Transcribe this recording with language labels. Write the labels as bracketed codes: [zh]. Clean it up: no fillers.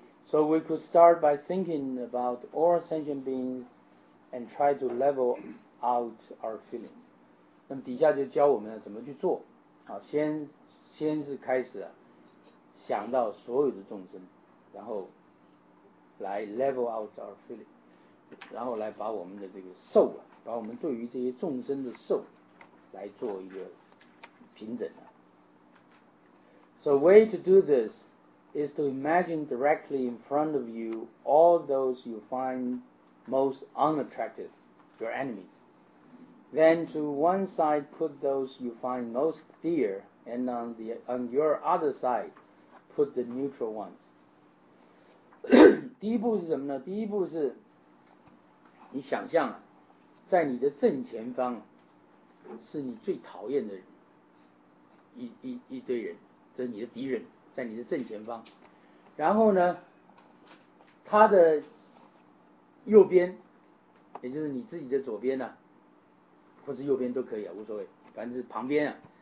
[en] So we could start by thinking about all sentient beings and try to level out our feelings. [zh] 那么底下就教我们怎么去做。好，先是开始啊，想到所有的众生，然后来 [en] level out our feelings， [zh] 然后来把我们的这个受啊，把我们对于这些众生的受来做一个平整啊。 [en] So way to do this. Is to imagine directly in front of you all those you find most unattractive, your enemies. Then to one side put those you find most dear, and on your other side put the neutral ones. [zh] 第一步是什么呢？第一步是你想象啊，在你的正前方是你最讨厌的一堆人，这是你的敌人。在你的正前方，然后呢，他的右边，也就是你自己的左边呢、啊，或是右边都可以啊，无所谓，反正是旁边啊，